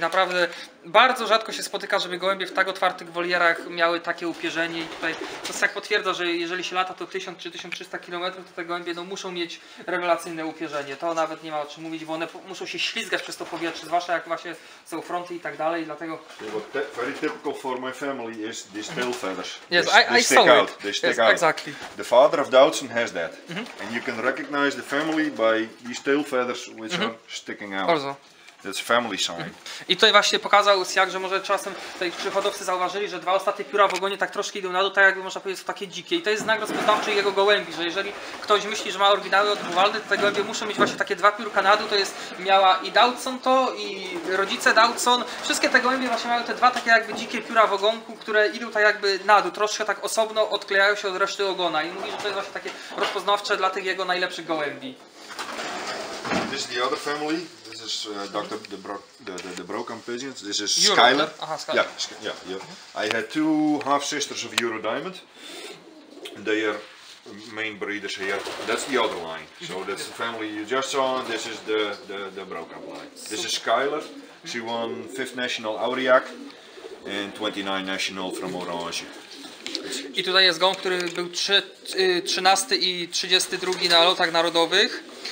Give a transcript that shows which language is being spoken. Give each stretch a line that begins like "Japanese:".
Polish: Naprawdę bardzo rzadko się spotyka, żeby gołębie w tak otwartych wolierach miały takie upierzenie. I tutaj to Siak potwierdza, że jeżeli się lata to 1000 czy 1300 km, to te gołębie no, muszą mieć rewelacyjne upierzenie. To nawet nie ma o czym mówić, bo one muszą się ślizgać przez to powietrze, zwłaszcza jak właśnie są fronty i tak dalej. Dlatego...
English: Very typical for my family is this tail feathers. Yes, they stick out. They stick out. Exactly. The father of Doutzen has that. Mm-hmm. And you can recognize the family by these tail feathers, which mm-hmm. are sticking out. Also. That's family sign.
Polish: I tutaj właśnie pokazał Siak, że może czasem tutaj przychodowcy zauważyli, że dwa ostatnie pióra w ogonie tak troszkę idą na dół, tak jakby można powiedzieć, są takie dzikie. I to jest znak rozpoznawczy jego gołębi, że jeżeli ktoś myśli, że ma oryginały odpływalne, to te gołębie muszą mieć właśnie takie dwa piórka na dół. To jest miała i Doutzen to, i rodzice Doutzen. Wszystkie te gołębie właśnie mają te dwa takie jakby dzikie pióra w ogonku, które idą tak jakby na dół, troszkę tak osobno odklejają się od reszty ogona. I mówi, że to jest właśnie takie rozpoznawcze dla tych jego najlepszych gołębi.
English: This is the other family. This is Dr. The Broken Pigeons. This is Skyler. Yeah. I had two half sisters of Euro Diamond. They are main breeders here. That's the other line. So that's the family you just saw. This is the broken line. This is Skyler. She won 5th National Aurillac and 29th National from Orange.
Polish: I tutaj jest gołąb, który był 13 i 32 na lotach narodowych.